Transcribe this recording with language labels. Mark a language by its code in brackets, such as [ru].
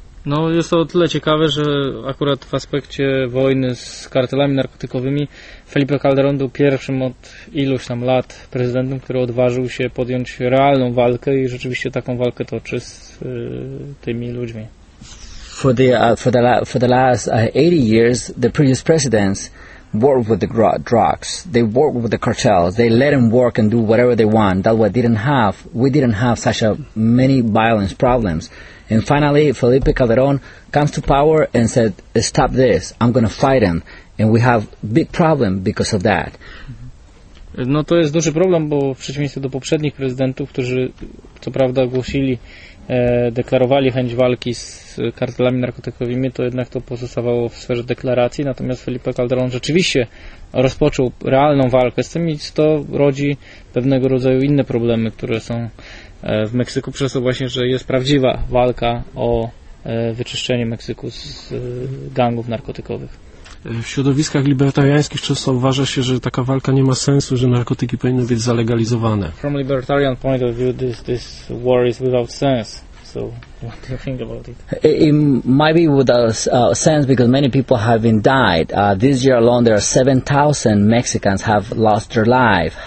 [pl] No, jest to o tyle ciekawe, że akurat w aspekcie wojny z kartelami narkotykowymi Felipe Calderon był pierwszym od iluś tam lat prezydentem, który odważył się podjąć realną walkę i rzeczywiście taką walkę toczy z tymi ludźmi. [en] For the last 80 years, the previous presidents worked with the drugs. They worked with the cartels. They let them work and do whatever they want. That we didn't have such a many violence problems. And finally, Felipe Calderon comes to power and said, stop this, I'm going to fight him. And we have big problem because of that. [pl] No to jest duży problem, bo w przeciwieństwie do poprzednich prezydentów, którzy co prawda ogłosili, deklarowali chęć walki z kartelami narkotykowymi, to jednak to pozostawało w sferze deklaracji. Natomiast Felipe Calderon rzeczywiście rozpoczął realną walkę z tym i to rodzi pewnego rodzaju inne problemy, które są w Meksyku przez to właśnie, że jest prawdziwa walka o wyczyszczenie Meksyku z gangów narkotykowych. W środowiskach libertariańskich często uważa się, że taka walka nie ma sensu, że narkotyki powinny być zalegalizowane. [en] From libertarian point of view, this war is without sense. So, what do you think about it? It might be without sense because many people have been died. This year alone, there are 7,000 Mexicans have lost their life.